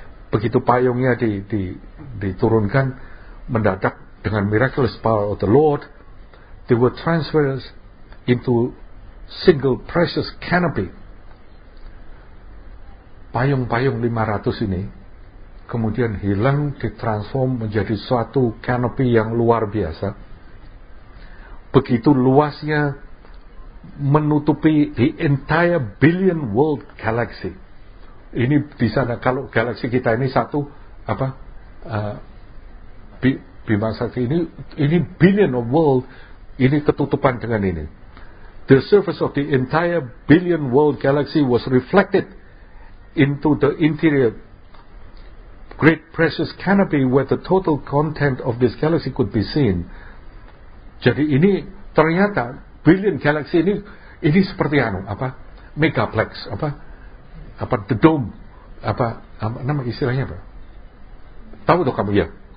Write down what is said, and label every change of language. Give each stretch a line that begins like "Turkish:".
Indonesian: Begitu payungnya diturunkan, mendadak dengan
English: miraculous power of the Lord, they were transferred into single precious canopy.
Indonesian: Payung-payung 500 ini kemudian hilang, ditransform menjadi suatu canopy yang luar biasa. Begitu luasnya, menutupi
English: the entire billion world galaxy.
Indonesian: Ini di sana, kalau galaksi kita ini satu apa Bima Sakti ini
English: billion of world,
Indonesian: ini ketutupan dengan ini.
English: The surface of the entire billion world galaxy was reflected into the interior great precious canopy where the total content of this galaxy could be seen.
Indonesian: Jadi ini ternyata billion galaxy ini seperti megaplex the dome nama istilahnya apa? Tahu tuh kamu ya?